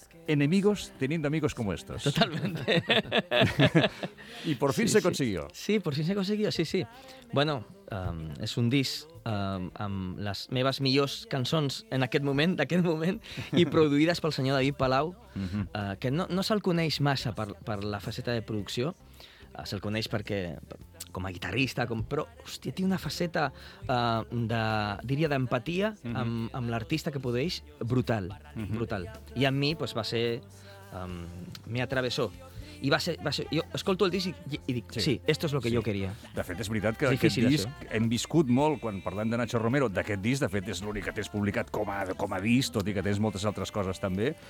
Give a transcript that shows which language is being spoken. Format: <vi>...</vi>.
<es>enemigos teniendo amigos como estos. Totalmente. Y por fin se consiguió. Sí, por fin se consiguió, sí.</es> <ca>Bueno, és un disc amb les meves millors cançons en aquest moment, i produïdes pel senyor David Palau, que no se'l coneix massa per la faceta de producció. Se'l coneix perquè com a guitarrista, com, però hòstia, té una faceta de, diria, d'empatia amb l'artista que produeix, brutal, brutal. I amb mi, pues, va ser...</ca> <es>me atravessó.</es> <ca>I va ser, jo escolto el disc i dic, sí,</ca> <es>esto es lo que sí. Yo quería.</es> <ca>De fet, és veritat que aquest disc, hem viscut molt, quan parlem de Nacho Romero, d'aquest disc, de fet, és l'únic que tens publicat com a disc, tot i que tens moltes altres coses també.</ca>